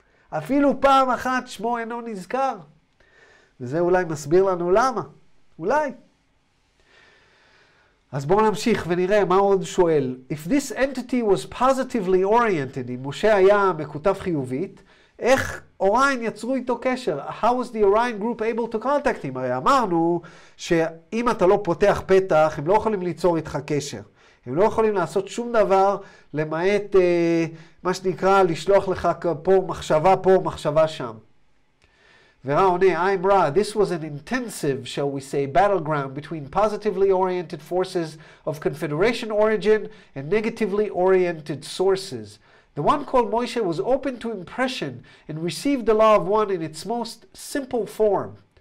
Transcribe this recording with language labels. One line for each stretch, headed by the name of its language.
Hebrew: אפילו פעם אחת שמו אינו נזכר? וזה אולי מסביר לנו למה. אולי. אז בואו נמשיך ונראה מה עוד שואל.
English: If this entity was positively oriented,
Hebrew: אם משה היה מקוטב חיובית, איך אוריין יצרו איתו קשר?
English: How was the Orion group able to contact him?
Hebrew: הרי אמרנו שאם אתה לא פותח פתח, הם לא יכולים ליצור איתך קשר. הם לא יכולים לעשות שום דבר למעט, מה שנקרא, לשלוח לך פה, מחשבה שם.
English: ורעוני, I'm Ra, this was an intensive, shall we say, battleground between positively oriented forces of confederation origin and negatively oriented sources. The one called Moshe was open to impression and received the law of one in its most simple form.